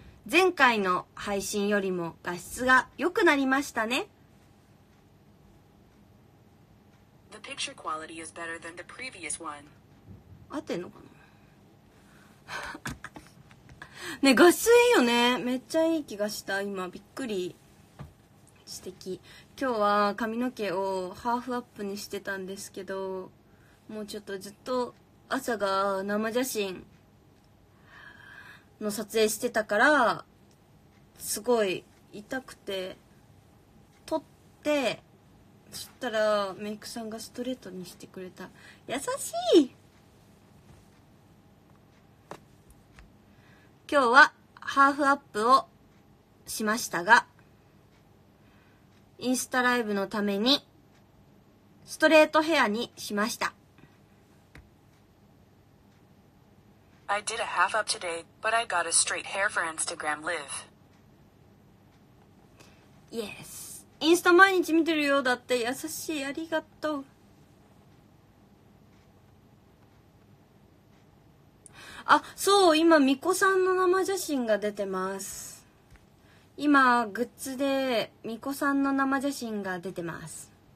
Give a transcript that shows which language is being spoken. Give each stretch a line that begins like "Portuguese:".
Japanese: 前回の配信よりも画質が良くなりましたね。
English: The picture quality is better than the previous one.
Japanese: 合ってんのかな。ね、画質いいよね。めっちゃいい気がした。今、びっくり。素敵。今日は髪の毛をハーフアップにしてたんですけど、もうちょっとずっと朝が生写真の撮影してたから、すごい痛くて、撮って、そしたらメイクさんがストレートにしてくれた。優しい！今日はハーフアップをしましたが、インスタライブのためにストレートヘアにしました。
English: I did a half up today, but I got a straight hair for Instagram live.
Japanese: イエス、インスタ毎日見てるよ、だって。優しい、ありがとう。あ、そう、今巫女さんの生写真が出てます。今グッズで巫女さんの生写真が出てます。